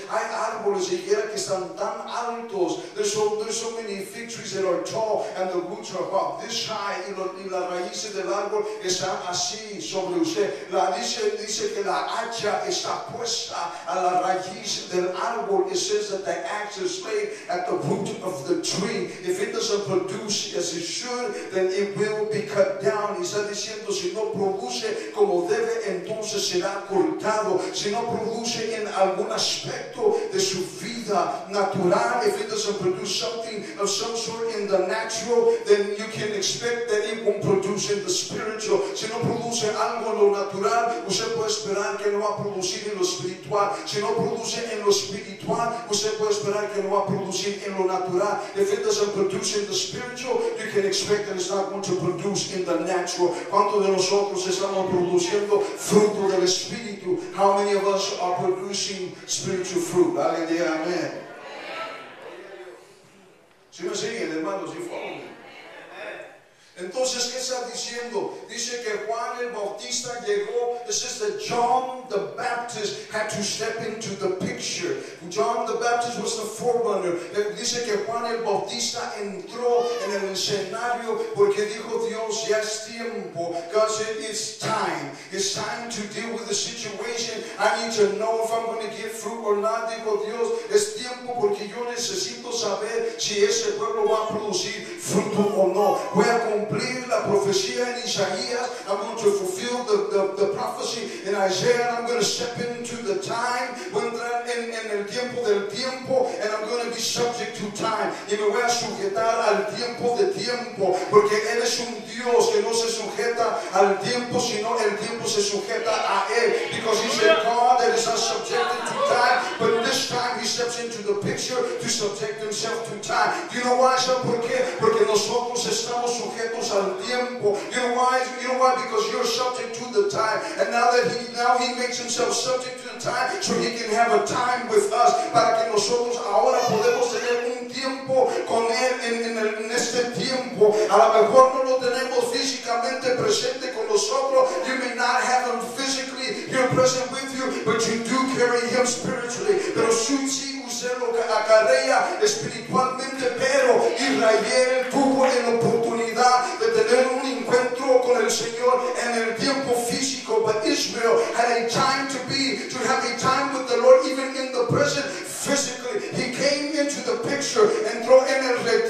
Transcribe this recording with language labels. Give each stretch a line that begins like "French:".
Spanish: Hay árboles siquiera que están tan altos,
English: there's so many fig trees that are tall, and the roots are about this high,
Spanish: y las raíces del árbol están así sobre usted. Dice que la hacha está puesta a la raíz del árbol.
English: It says that the axe is laid at the root of the tree. If it doesn't produce as it should, then it will be cut down.
Spanish: Y está diciendo, si no produce como debe, entonces será cortado. Si no produce en algún aspecto de su vida natural,
English: if it doesn't produce something of some sort in the natural, then you can expect that it won't produce in the spiritual.
Spanish: Si no produce algo en lo natural, usted puede esperar que no va a producir en lo espiritual. Si no produce en lo espiritual, usted puede esperar que no va a producir in lo natural.
English: If it doesn't produce in the spiritual, you can expect that it's not going to produce in the natural.
Spanish: ¿Cuántos de nosotros estamos produciendo fruto del Espíritu?
English: How many of us are producing spiritual fruit?
Spanish: Alguien diga amén. Si me siguen, hermanos,
English: you follow me.
Spanish: Entonces, ¿qué está diciendo? Dice que Juan el Bautista llegó.
English: This is that John the Baptist had to step into the picture. John the Baptist was the forerunner.
Spanish: Dice que Juan el Bautista entró en el escenario porque dijo Dios, ya es tiempo.
English: God said, it's time. It's time to deal with the situation. I need to know if I'm going to get fruit or not.
Spanish: Dijo Dios, es tiempo porque yo necesito saber si ese pueblo va a producir fruto o no. Voy a cumplir la profecía en Isaías.
English: I'm going to fulfill the prophecy in Isaiah, and I'm going to step into the time,
Spanish: voy a entrar en el tiempo del tiempo,
English: and I'm going to be subject to time,
Spanish: y me voy a sujetar al tiempo de tiempo, porque Él es un Dios que no se sujeta al tiempo, sino el tiempo se sujeta a Él,
English: because He's a God that is not subjected to time, but this time He steps into the picture to subject Himself to time. Do you know why?
Spanish: ¿Por qué? Porque nosotros estamos sujetos al tiempo.
English: You know why? Because you're subject to the time. And now he makes himself subject to the time so he can have a time with us.
Spanish: Para que nosotros ahora podemos tener un tiempo con él en este tiempo. A lo mejor no lo tenemos físicamente presente con nosotros.
English: You may not have him physically here present with you, but you do carry him spiritually.
Spanish: Pero si usted lo acarrea espiritualmente, pero Israel tuvo la oportunidad de tener un encuentro con el Señor en el tiempo físico.
English: But Israel had a time to have a time with the Lord, even in the present, physically. He came into the picture,
Spanish: entró en el retiro.